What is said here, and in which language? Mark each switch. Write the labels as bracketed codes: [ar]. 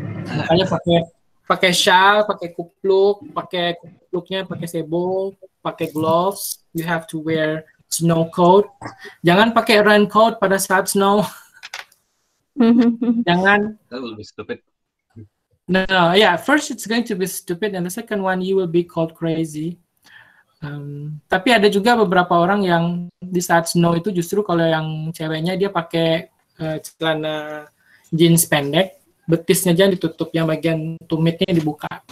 [id] Makanya pakai shawl, pakai kupluk, pakai kupluknya pakai sebo, pakai gloves. [en] You have to wear snow coat. [id] Jangan pakai raincoat pada saat snow. Jangan. [en] That will be stupid. No, yeah. First, it's going to be stupid, and the second one, you will be called crazy. [id] Tapi ada juga beberapa orang yang di saat snow itu justru kalau yang ceweknya dia pakai celana jeans pendek, betisnya jangan ditutup, yang bagian tumitnya dibuka.